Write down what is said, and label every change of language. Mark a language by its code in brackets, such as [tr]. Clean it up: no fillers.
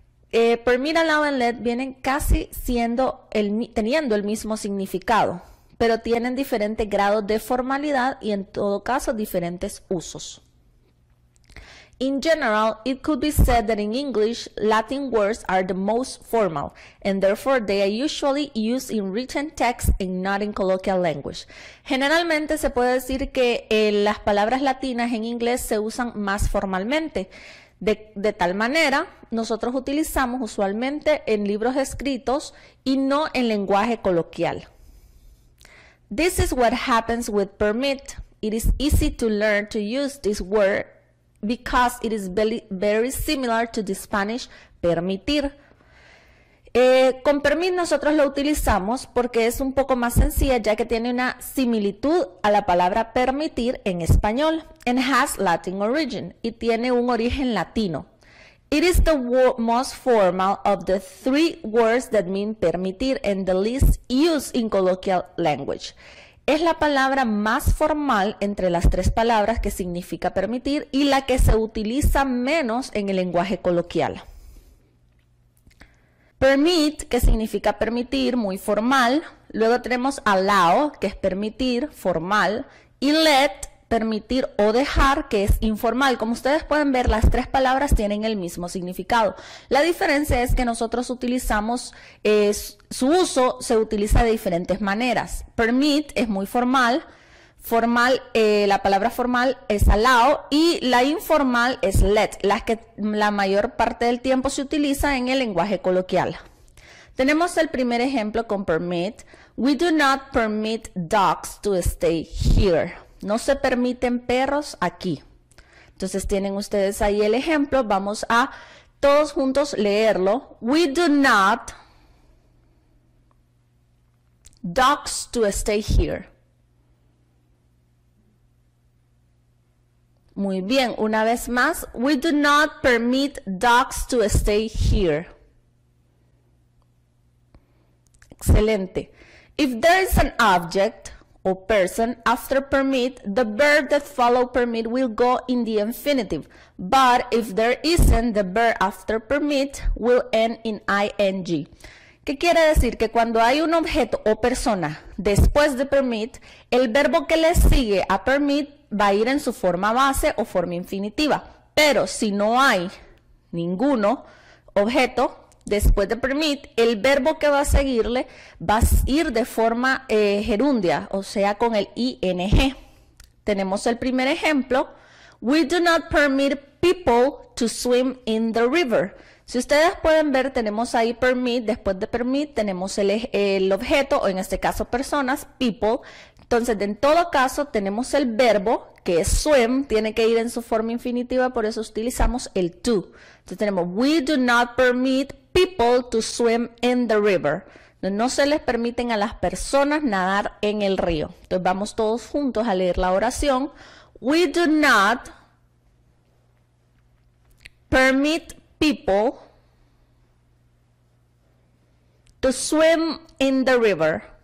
[es] Permit, allow, and let vienen casi teniendo el mismo significado, pero tienen diferentes grados de formalidad y en todo caso diferentes usos. [en] In general, it could be said that in English, Latin words are the most formal, and therefore they are usually used in written text and not in colloquial language. [es] Generalmente se puede decir que las palabras latinas en inglés se usan más formalmente. De tal manera, nosotros utilizamos usualmente en libros escritos y no en lenguaje coloquial. [en] This is what happens with permit. It is easy to learn to use this word because it is very, very similar to the Spanish permitir. [es] Con permit nosotros lo utilizamos porque es un poco más sencilla ya que tiene una similitud a la palabra permitir en español [en] and has Latin origin [es] y tiene un origen latino. [en] It is the most formal of the three words that mean permitir and the least used in colloquial language. [es] Es la palabra más formal entre las tres palabras que significa permitir y la que se utiliza menos en el lenguaje coloquial. Permit, que significa permitir, muy formal. Luego tenemos allow, que es permitir, formal. Y let, permitir o dejar, que es informal. Como ustedes pueden ver, las tres palabras tienen el mismo significado. La diferencia es que nosotros utilizamos, su uso se utiliza de diferentes maneras. Permit es muy formal, la palabra formal es allow y la informal es let, las que la mayor parte del tiempo se utiliza en el lenguaje coloquial. Tenemos el primer ejemplo con permit. [en] We do not permit dogs to stay here. [es] No se permiten perros aquí. Entonces tienen ustedes ahí el ejemplo. Vamos a todos juntos leerlo. [en] We do not dogs to stay here. [es] Muy bien, una vez más. [en] We do not permit dogs to stay here. Excelente. If there is an object or person after permit, the verb that follow permit will go in the infinitive. But if there isn't, the verb after permit will end in ing. [es] ¿Qué quiere decir? Que cuando hay un objeto o persona después de permit, el verbo que le sigue a permit va a ir en su forma base o forma infinitiva. Pero si no hay ninguno objeto después de permit, el verbo que va a seguirle va a ir de forma gerundia, o sea, con el ing. Tenemos el primer ejemplo. [en] We do not permit people to swim in the river. [es] Si ustedes pueden ver, tenemos ahí permit, después de permit, tenemos el objeto, o en este caso personas, people. Entonces, en todo caso, tenemos el verbo, que es swim, tiene que ir en su forma infinitiva, por eso utilizamos el to. Entonces, tenemos [en] we do not permit people to swim in the river. [es] No se les permiten a las personas nadar en el río. Entonces vamos todos juntos a leer la oración. [en] We do not permit people to swim in the river.